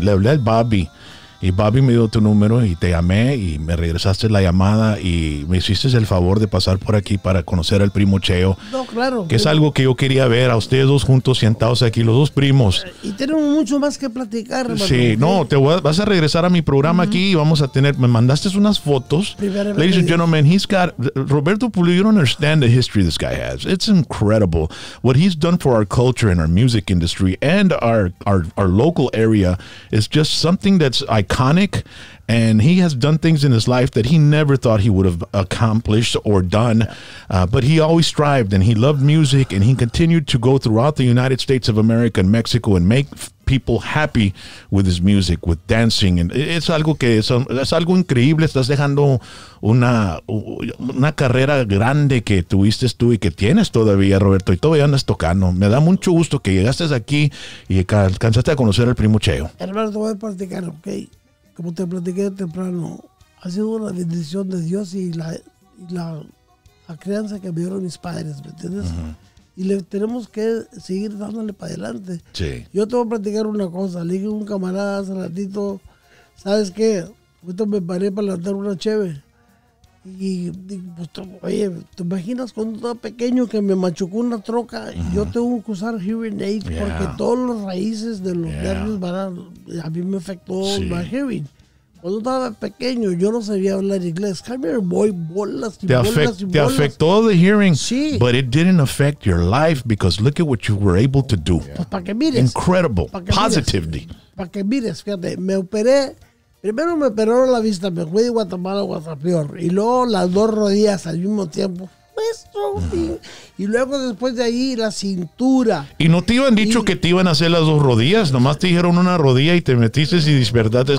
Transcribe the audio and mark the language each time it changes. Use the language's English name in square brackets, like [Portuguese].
[Spanish] Le hablé al Bobby y Bobby me dio tu número y te llamé y me regresaste la llamada y me hiciste el favor de pasar por aquí para conocer al primo Cheo. No, claro. Que es algo que yo quería ver a ustedes dos juntos sentados aquí, los dos primos. Y tenemos mucho más que platicar, hermano. Sí, no, vas a regresar a mi programa aquí y vamos a tener, me mandaste unas fotos. [English] Ladies and gentlemen, Roberto Pulido, you don't understand the history this guy has. It's incredible. What he's done for our culture and our music industry and our local area is just something that's iconic, and he has done things in his life that he never thought he would have accomplished or done, but he always strived, and he loved music, and he continued to go throughout the United States of America and Mexico and make people happy with his music, with dancing, and it's [Spanish] algo que es algo increíble. Estás dejando una carrera grande que tuviste tú y que tienes todavía, Roberto, y todavía andas tocando. Me da mucho gusto que llegaste aquí y alcanzaste a conocer al primo Cheo. Hermano, te voy a platicar, ok. Como te platiqué temprano, ha sido una bendición de Dios y la crianza que me dieron mis padres, ¿me entiendes? Uh-huh. Y le tenemos que seguir dándole para adelante. Sí. Yo te voy a platicar una cosa. Le dije a un camarada hace ratito, ¿sabes qué? Ahorita me paré para levantar una cheve. Y pues, oye, ¿te imaginas cuando estaba pequeño que me machucó una troca? Uh-huh. Yo tengo que usar hearing aid porque todas las raíces de los nervios a mí me afectó la hearing. Cuando estaba pequeño, yo no sabía hablar inglés. [English] Come here, boy, [Spanish] bolas y bolas. Te afectó [English] the hearing, [Spanish] sí. [English] But it didn't affect your life because look at what you were able to do. [Spanish] Pues para que mires. [English] Incredible. Positivity. [Spanish] Para que mires, fíjate, me operé. Primero me operaron la vista, me fui de Guatemala a Guatapior. Y luego las dos rodillas al mismo tiempo. Me esto. Y luego después de ahí, la cintura. ¿Y no te iban dicho que te iban a hacer las dos rodillas? Nomás te dijeron una rodilla y te metiste y despertaste.